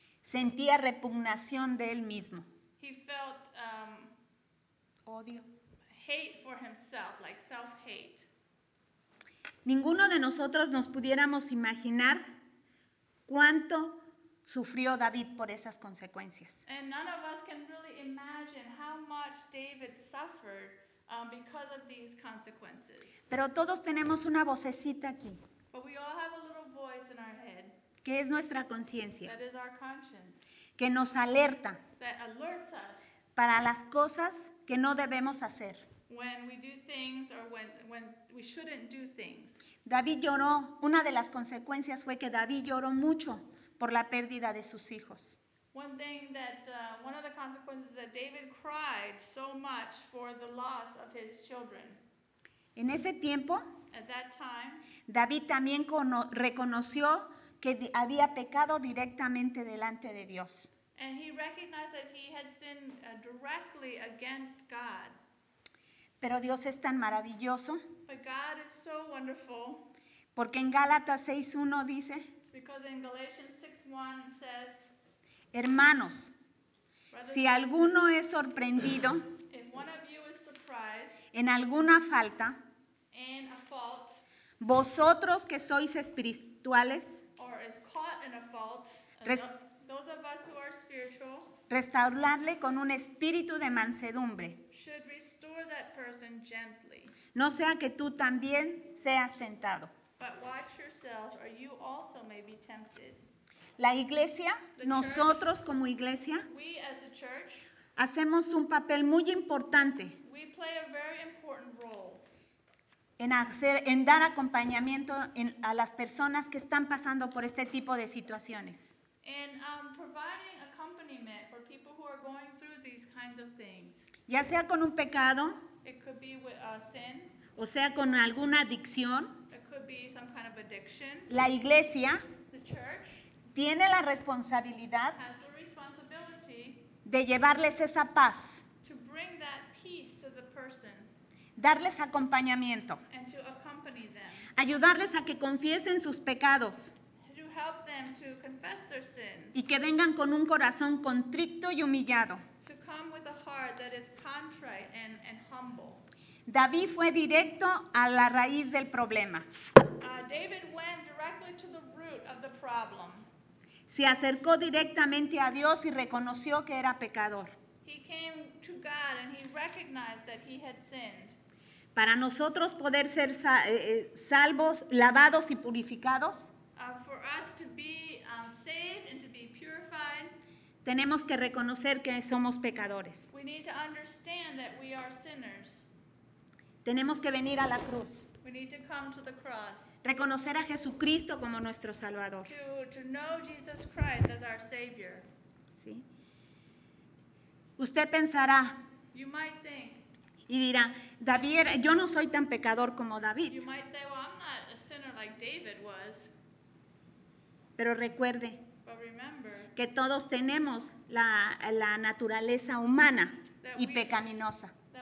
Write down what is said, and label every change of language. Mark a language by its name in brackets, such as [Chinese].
[Spanish] Sentía repugnación de él mismo. [English] He felt [Spanish] odio. [English] Hate for himself, like self-hate. [Spanish] Ninguno de nosotros nos pudiéramos imaginar cuánto sufrió David por esas consecuencias. [English] And none of us can really imagine how much David suffered because of these consequences. [Spanish] Pero todos tenemos una vocecita aquí. [English] But we all have a little voice in our head. [Spanish] Que es nuestra conciencia. [English] That is our conscience. [Spanish] Que nos alerta. [English] That alerts us. [Spanish] Para las cosas que no debemos hacer. [English] When we do things or when we shouldn't do things. [Spanish] David lloró. Una de las consecuencias fue que David lloró mucho por la pérdida de sus hijos. [English] One thing that one of the consequences is that David cried so much for the loss of his children. [Spanish] En ese tiempo, [English] at that time, [Spanish] David también reconoció que había pecado directamente delante de Dios. [English] And he recognized that he had sinned directly against God. [Spanish] Pero Dios es tan maravilloso. [English] But God is so wonderful. [Spanish] Porque en Gálatas 6:1 dice, [English] because in Galatians 6:1 says, [Spanish] hermanos, si alguno es sorprendido, [English] if one of you is surprised, [Spanish] en alguna falta, [English] in a fault, [Spanish] vosotros que sois espirituales, [English] or is caught in a fault, those of us who are spiritual, [Spanish] restaurarle con un espíritu de mansedumbre. [English] Should restore that person gently. [Spanish] No sea que tú también seas tentado. [English] But watch yourself, or you also may be tempted. [Spanish] La iglesia, [English] the [Spanish] nosotros [English] church, [Spanish] como iglesia, [English] we as a church, [Spanish] hacemos un papel muy importante. [English] We play a very important role. [Spanish] en hacer, en dar acompañamiento en, a las personas que están pasando por este tipo de situaciones. [English] And providing accompaniment for people who are going through these kinds of things. [Spanish] Ya sea con un pecado, [English] it could be with a sin, [Spanish] o sea con alguna adicción, [English] it could be some kind of addiction. [Spanish] La iglesia, [English] the church, [Spanish] tiene la responsabilidad, [English] has the responsibility, [Spanish] de llevarles esa paz, [English] to bring that peace to the person, [Spanish] darles acompañamiento, [English] and to accompany them, [Spanish] ayudarles a que confiesen sus pecados, [English] to help them to confess their sins, [Spanish] y que vengan con un corazón contrito y humillado. [English] To come with a heart that is contrite and humble. [Spanish] David fue directo a la raíz del problema. [English] David went directly to the root of the problem. [Spanish] Se acercó directamente a Dios y reconoció que era pecador. [English] He came to God and he recognized that he had sinned. [Spanish] Para nosotros poder ser salvos, lavados y purificados, [English] for us to be saved and to be purified, [Spanish] tenemos que reconocer que somos pecadores. [English] We need to understand that we are sinners. [Spanish] Tenemos que venir a la cruz. [English] We need to come to the cross. [Spanish] Reconocer a Jesucristo como nuestro Salvador. [English] To know Jesus Christ as our Savior. [Spanish] ¿Sí? Usted pensará, [English] you might think, [Spanish] y dirá, David, yo no soy tan pecador como David. [English] You might say, well, I'm not a sinner like David was. [Spanish] Pero recuerde, [English] but remember, [Spanish] que todos tenemos la naturaleza humana y pecaminosa.